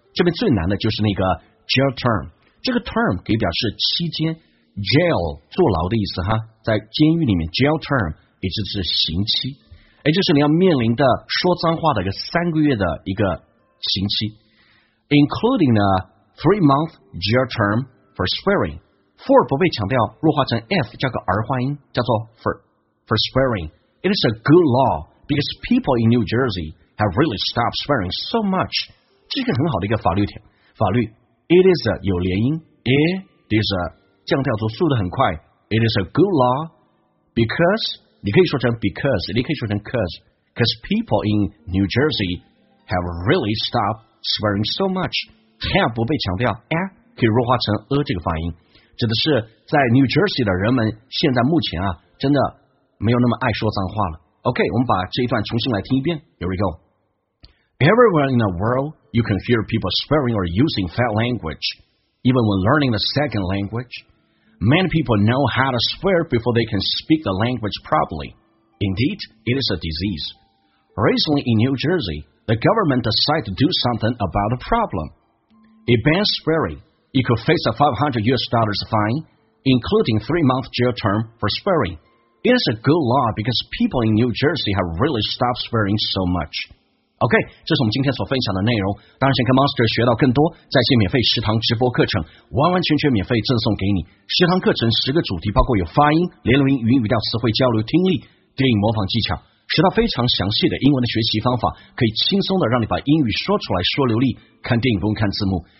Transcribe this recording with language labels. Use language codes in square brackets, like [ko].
[zh] 这边最难的就是那个 jail term. 这个 term 可以表示期间 jail 坐牢的意思哈，在监狱里面 jail term 也就是刑期，也就是你要面临的说脏话的一个三个月的一个刑期。 [en] Including a 3-month jail term for swearing. [zh] For 不被强调，弱化成 F 加个儿化音，叫做 [en] for swearing. It is a good law because people in New Jersey have really stopped swearing so much. [zh] 这是一个很好的一个法律。 [en] It is a [zh] 有连音 ， [en] it is a [zh] 降调做速度很快。 [en] It is a good law because [zh] 你可以说成 [en] because， 你可以说成 cause people in New Jersey have really stopped swearing so much. [zh] Have 不被强调 ，a 可以弱化成 a 这个发音，指的是在 New Jersey 的人们现在目前啊，真的没有那么爱说脏话了。 OK， 我们把这一段重新来听一遍。 [en] Here we go. Everywhere in the world, you can hear people swearing or using foul language, even when learning the second language. Many people know how to swear before they can speak the language properly. Indeed, it is a disease. Recently in New Jersey, the government decided to do something about the problem. It bans swearing. You could face a $500 fine, including 3-month jail term for swearing. It is a good law because people in New Jersey have really stopped swearing so much. [zh] OK, 这是我们今天所分享的内容。当然想跟 Monster 学到更多，在线免费食堂直播课程完完全全免费赠送给你。食堂课程10个主题，包括有发音、连读音、语音语调、词汇交流、听力、电影模仿技巧，学到非常详细的英文的学习方法，可以轻松的让你把英语说出来说流利，看电影不用看字幕。